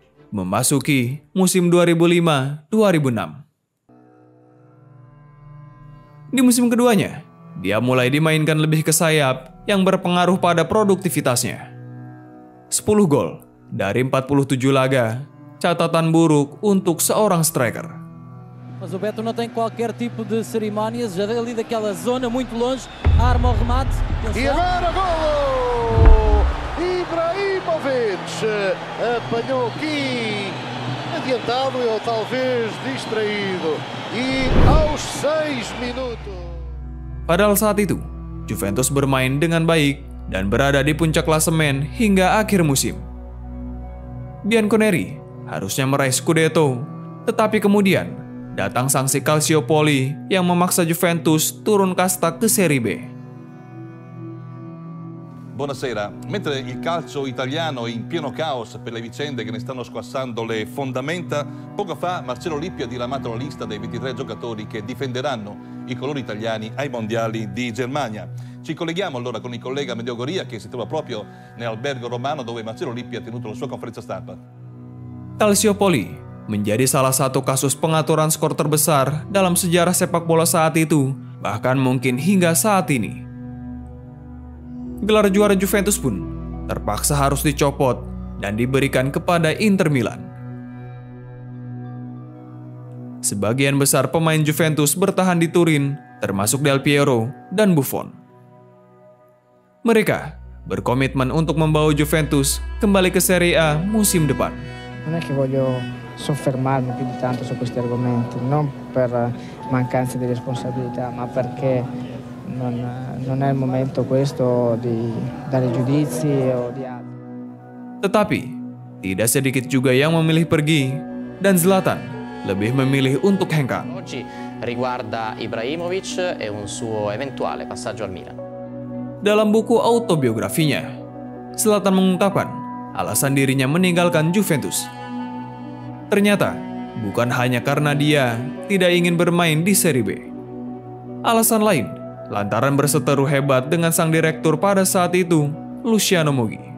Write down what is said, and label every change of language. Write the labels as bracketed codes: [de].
[id] Memasuki musim 2005-2006. Di musim keduanya, dia mulai dimainkan lebih ke sayap yang berpengaruh pada produktivitasnya. 10 gol dari 47 laga, catatan buruk untuk seorang striker. [pt] Mas Beto não tem qualquer tipo de cerimónias, já ali daquela zona muito longe, arma o remate. E agora gol! Ibrahimovic apanhou aqui, adiantado ou talvez distraído, e aos 6 minutos. [id] Padahal saat itu, Juventus bermain dengan baik dan berada di puncak klasemen hingga akhir musim. Bianconeri harusnya meraih Scudetto, tetapi kemudian datang sanksi Calciopoli yang memaksa Juventus turun kasta ke Serie B. [it] Buonasera. Mentre il calcio italiano è in pieno caos per le vicende che ne stanno squassando le fondamenta, poco fa Marcello Lippi ha diramato la lista dei 23 giocatori che difenderanno i colori italiani ai mondiali di Germania. Ci colleghiamo allora con il collega Mediogoria che si trova proprio nell'albergo romano dove Marcello Lippi ha tenuto la sua conferenza stampa. [id] Calciopoli menjadi salah satu kasus pengaturan skor terbesar dalam sejarah sepak bola saat itu, bahkan mungkin hingga saat ini. Gelar juara Juventus pun terpaksa harus dicopot dan diberikan kepada Inter Milan. Sebagian besar pemain Juventus bertahan di Turin, termasuk Del Piero dan Buffon. Mereka berkomitmen untuk membawa Juventus kembali ke Serie A musim depan. [it] Non è che voglio soffermarmi più di tanto su questi argomenti, non per mancanza di responsabilità, ma perché non è il momento questo di dare giudizi o di altro. [id] Tetapi, tidak sedikit juga yang memilih pergi dan Zlatan lebih memilih untuk hengkang. [it] Oggi riguarda Ibrahimovic e un suo eventuale passaggio al Milan. [id] Dalam buku autobiografinya, Zlatan mengungkapkan alasan dirinya meninggalkan Juventus. Ternyata, bukan hanya karena dia tidak ingin bermain di Serie B. Alasan lain lantaran berseteru hebat dengan sang direktur pada saat itu, Luciano Moggi.